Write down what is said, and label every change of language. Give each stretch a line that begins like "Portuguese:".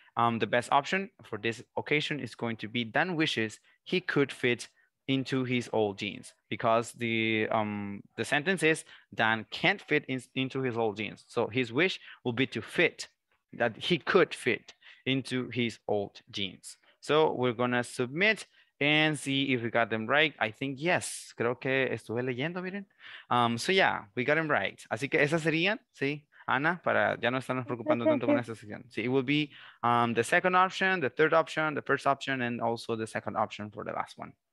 English: The best option for this occasion is going to be Dan wishes he could fit into his old jeans, because the sentence is Dan can't fit into his old jeans. So his wish will be to fit, that he could fit into his old jeans. So we're gonna submit and see if we got them right. I think yes.
Spanish: Creo que estuve leyendo, miren.
English: So yeah, we got them right.
Spanish: Así que esas serían, sí, Ana, para ya no estarnos preocupando tanto con esa sección. Sí,
English: it will be the second option, the third option, the first option, and also the second option for the last one.